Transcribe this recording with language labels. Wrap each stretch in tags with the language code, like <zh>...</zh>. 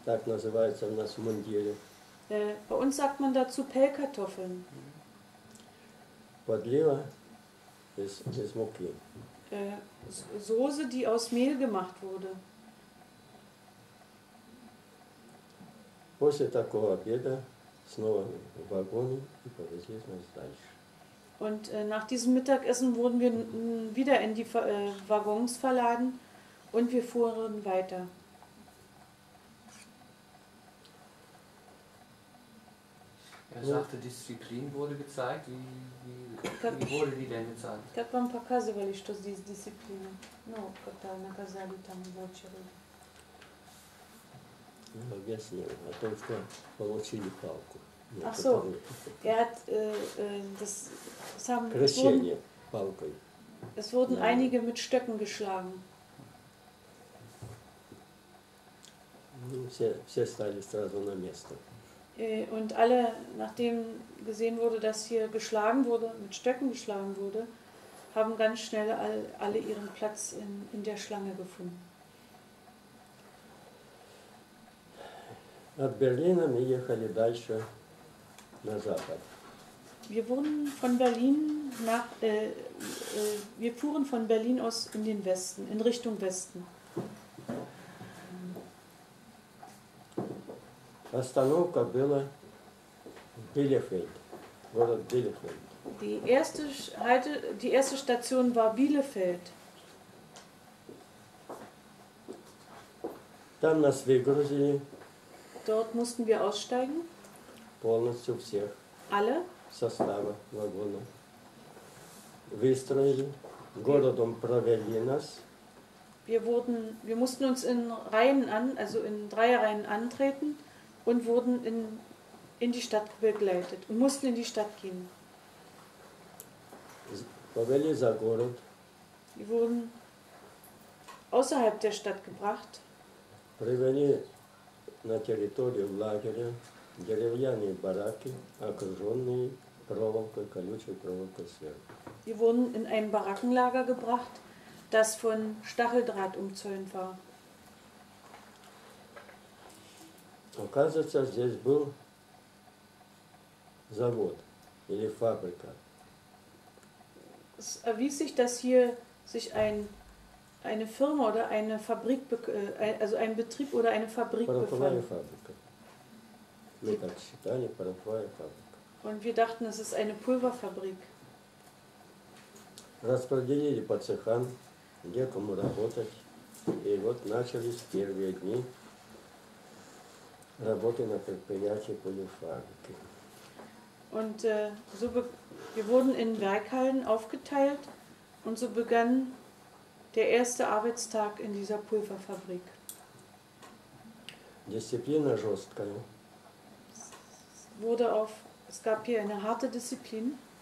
<ru>Так называется у нас в мундире.</ru> <de>Bei uns sagt man dazu Pellkartoffeln.</de> <ru>Подлива из муки.</ru> <de>Soße, die aus Mehl gemacht wurde.</de> <ru>После такого обеда снова в вагоне и повезли нас дальше.</ru> <de>Und nach diesem Mittagessen wurden wir wieder in die Waggons verladen und wir fuhren weiter. Er sagte, Disziplin wurde gezeigt. Wie wurde die denn gezeigt?</de> <ru>Как вам показывали, что здесь дисциплина? Ну, как-то наказали там в очереди. Объяснили о том, что получили палку.</ru> <de>Ach so, er hat das haben</de> <ru>Крещение, палкой.</ru> <de>Es wurden einige mit Stöcken geschlagen.</de> <ru>Все стали сразу на место.</ru> <de>Und alle, nachdem gesehen wurde, dass hier geschlagen wurde, mit Stöcken geschlagen wurde, haben ganz schnell alle ihren Platz in der Schlange gefunden.</de> <ru>От Берлина мы ехали дальше. На запад.</ru> <de>Wir fuhren von Berlin aus in den Westen, in Richtung Westen.</de> <ru>Остановка была в Билефельд, город Билефельд.</ru> <de>Die erste Station war Bielefeld.</de> <ru>Там нас выгрузили.</ru> <de>Dort mussten wir aussteigen.</de> <ru>Полностью всех.</ru> <de>Alle</de> <ru>состава вагона выстроили, городом провели нас.</ru> <de>Wir mussten uns in Reihen also in Dreierreihen antreten und wurden in die Stadt begleitet und mussten in die Stadt gehen.</de> <ru>Повели за город.</ru> <de>Wir wurden außerhalb der Stadt gebracht.</de> <ru>Привели на территорию лагеря. Деревянные бараки, окруженные проволокой, колючей проволокой сверху.</ru> <de>Wir wurden in ein Barackenlager gebracht, das von Stacheldraht umzäunt war.</de> <ru>Оказывается, здесь был завод или фабрика.</ru> <de>Es erwies sich, dass hier sich eine Firma oder eine Fabrik, also ein Betrieb oder eine Fabrik befand. Und wir dachten, es ist eine Pulverfabrik.</de> <ru>Распределили по цехам, где кому работать. И вот начались первые дни работы на предприятии пулефабрики.</ru> <de>Und so wir wurden in Werkhallen aufgeteilt und so begann der erste Arbeitstag in dieser Pulverfabrik.</de> <ru>Дисциплина жесткая.</ru> <de>Wurde auf, es gab hier eine harte Disziplin.</de>